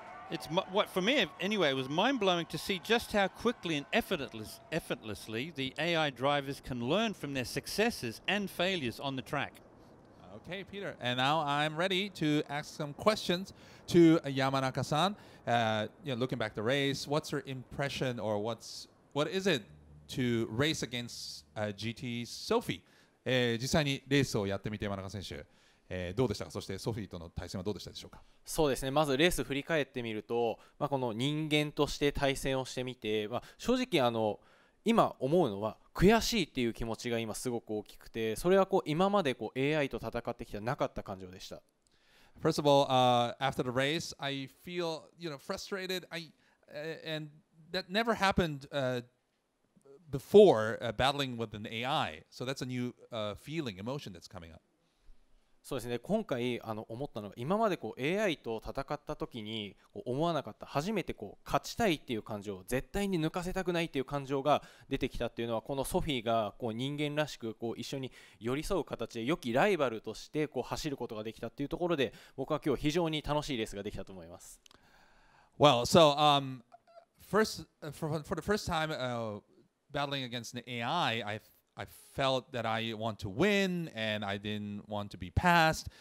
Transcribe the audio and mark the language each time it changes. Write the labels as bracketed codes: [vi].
[en] It's, for me anyway, it was mind-blowing to see just how quickly and effortlessly the AI drivers can learn from their successes and failures on the track. Okay, Peter. And now I'm ready to ask some questions to Yamanaka-san. You know, looking back the race, what's your impression or what is it to race against GT Sophy? [ja] 実際にレースをやってみて山中選手。どうでしたか？そしてソフィーとの対戦はどうでしたでしょうか？そうですね、まずレース振り返ってみると、まあ、この人間として対戦をしてみて、まあ、正直今思うのは悔しいっていう気持ちが今すごく大きくて、それはこう今までこう AI と戦ってきてなかった感情でした。 [en] First of all, after the race, I feel, you know, frustrated. And that never happened before battling with an AI. So that's a new feeling, emotion that's coming up. [ja] そうですね、今回思ったのは、今までこう AI と戦った時に思わなかった、初めてこう勝ちたいっていう感情、絶対に抜かせたくないっていう感情が出てきたっていうのは、このソフィーがこう人間らしくこう一緒に寄り添う形で良きライバルとしてこう走ることができたっていうところで、僕は今日非常に楽しいレースができたと思います。 [en] Well, so for the first time battling against the AI, I felt that I want to win and I didn't want to be passed.